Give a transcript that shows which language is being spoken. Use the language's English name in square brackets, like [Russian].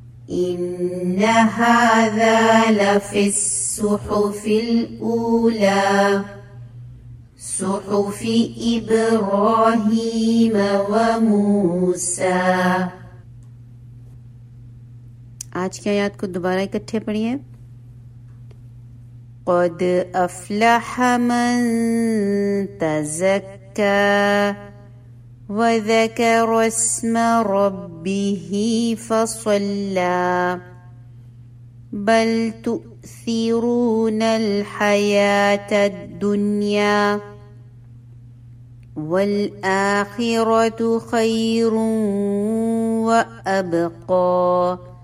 [Arabic] إن هذا لفي الصحف الأولى صحف إبراهيم وموسى. [Urdu] آج کی آیات کو دوبارہ اکٹھے پڑھیے. [Arabic] قد أفلح من تزكى وذكر اسم ربه فصلى بل تؤثرون الحياة الدنيا والآخرة خير وأبقى